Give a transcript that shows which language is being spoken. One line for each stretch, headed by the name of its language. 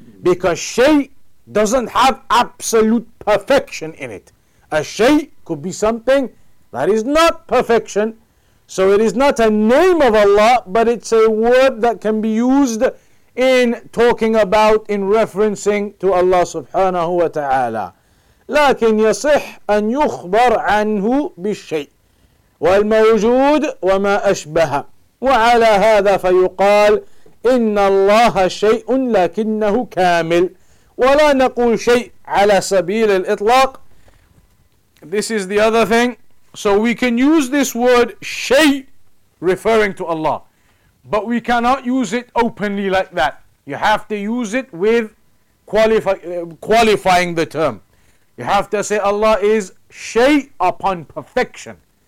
English: Because shay doesn't have absolute perfection in it. A shay could be something that is not perfection. So it is not a name of Allah, but it's a word that can be used in talking about, in referencing to Allah subhanahu wa ta'ala.
Arabic: لكن يصح أن يخبر عنه بالشيء والموجود وما أشبه وعلى هذا فيقال إن الله شيء لكنه كامل ولا نقول شيء على سبيل الإطلاق.
English: This is the other thing. So we can use this word شيء referring to Allah, but we cannot use it openly like that. You have to use it with qualifying the term. You have to say Allah is shay upon perfection.